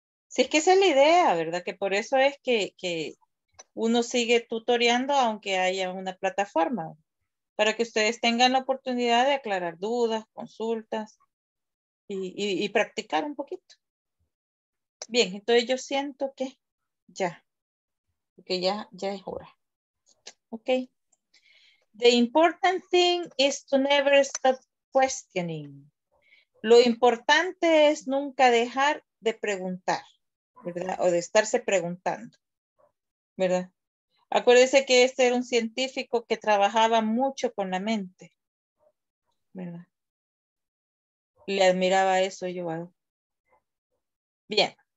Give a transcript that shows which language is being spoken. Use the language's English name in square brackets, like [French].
[Spanish] Sí, es que esa es la idea, ¿verdad? Que por eso es que uno sigue tutoreando aunque haya una plataforma, para que ustedes tengan la oportunidad de aclarar dudas, consultas y practicar un poquito. Bien, entonces yo siento que ya es hora. Ok. [English] The important thing is to never stop questioning. [Spanish] Lo importante es nunca dejar de preguntar, ¿verdad? O de estarse preguntando, ¿verdad? Acuérdense que este era un científico que trabajaba mucho con la mente, ¿verdad? Le admiraba eso yo. Bien.